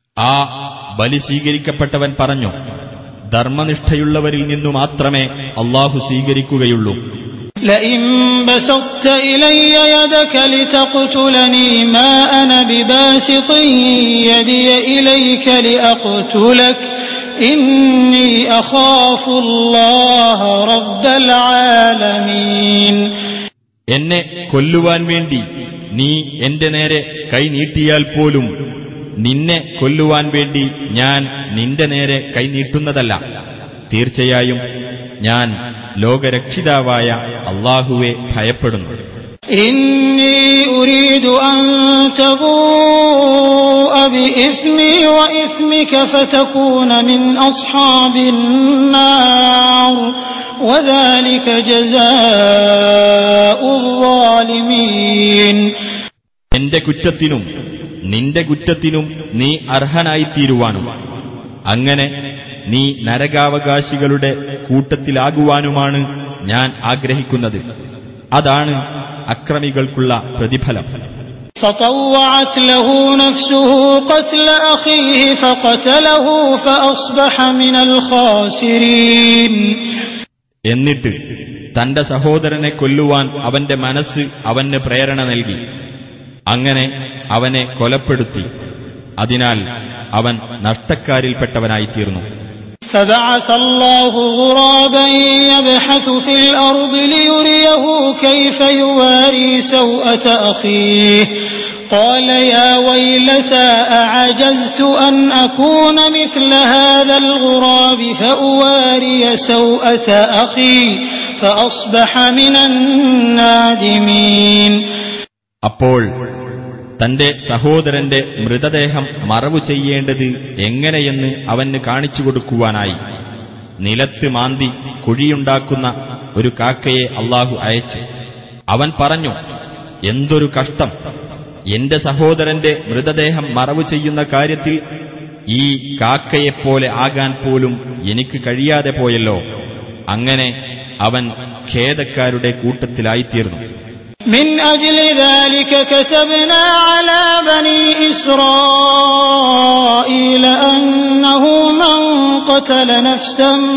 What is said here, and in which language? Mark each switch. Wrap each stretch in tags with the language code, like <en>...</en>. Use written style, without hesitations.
<ml>ആ ബലി സ്വീകരിക്കപ്പെട്ടവൻ പറഞ്ഞു, ധർമ്മനിഷ്ഠയുള്ളവരിൽ നിന്നു മാത്രമേ അല്ലാഹു സ്വീകരിക്കുകയുള്ളൂ.</ml> <ar>ലഇം ബസത്ത ഇലയ്യ യദക ലിതഖ്തുലനീ മാ അന ബിബാസിത യദി ഇലൈക ലിഖ്തുലക إني أخاف الله رب العالمين.</ar> <ml>എന്നെ കൊല്ലുവാൻ വേണ്ടി നീ എന്റെ നേരെ കൈനീട്ടിയാൽ പോലും നിന്നെ കൊല്ലുവാൻ വേണ്ടി ഞാൻ നിന്റെ നേരെ കൈനീട്ടുന്നതല്ല. തീർച്ചയായും ഞാൻ ലോകരക്ഷിതാവായ അള്ളാഹുവെ ഭയപ്പെടുന്നു.</ml> <ar>إني أريد أن تبوء بإثمي وإثمك فتكون من أصحاب النار وذلك جزاء الظالمين.</ar> <ml>എന്റെ കുറ്റത്തിനും നിന്റെ കുറ്റത്തിനും നീ അർഹനായിത്തീരുവാനും അങ്ങനെ നീ നരകാവകാശികളുടെ കൂട്ടത്തിലാകുവാനുമാണ് ഞാൻ ആഗ്രഹിക്കുന്നത്. അതാണ് അക്രമികൾക്കുള്ള പ്രതിഫലം.</ml> <ar>فطوعت له نفسه قتل اخيه فقتله فاصبح من الخاسرين.</ar> <ml>എന്നിട്ട് തന്റെ സഹോദരനെ കൊല്ലുവാൻ അവന്റെ മനസ്സ് അവന് പ്രേരണ നൽകി. അങ്ങനെ അവനെ കൊലപ്പെടുത്തി. അതിനാൽ അവൻ നഷ്ടക്കാരിൽപ്പെട്ടവനായിത്തീർന്നു.</ml> <ar>فبعث الله غرابا يبحث في الأرض ليريه كيف يواري سوءة أخيه قال يا ويلتا أعجزت أن أكون مثل هذا الغراب فأواري سوءة أخي فأصبح من النادمين. أقول</ar> <ml>തന്റെ സഹോദരന്റെ മൃതദേഹം മറവു ചെയ്യേണ്ടത് എങ്ങനെയെന്ന് അവന് കാണിച്ചു കൊടുക്കുവാനായി നിലത്ത് മാന്തി കുഴിയുണ്ടാക്കുന്ന ഒരു കാക്കയെ അള്ളാഹു അയച്ചു. അവൻ പറഞ്ഞു, എന്തൊരു കഷ്ടം! എന്റെ സഹോദരന്റെ മൃതദേഹം മറവു ചെയ്യുന്ന കാര്യത്തിൽ ഈ കാക്കയെപ്പോലെ ആകാൻ പോലും എനിക്ക് കഴിയാതെ പോയല്ലോ. അങ്ങനെ അവൻ ഖേദക്കാരുടെ കൂട്ടത്തിലായിത്തീർന്നു.</ml> <ar>من اجل ذلك كتبنا على بني اسرائيل انه من قتل نفسا</ar>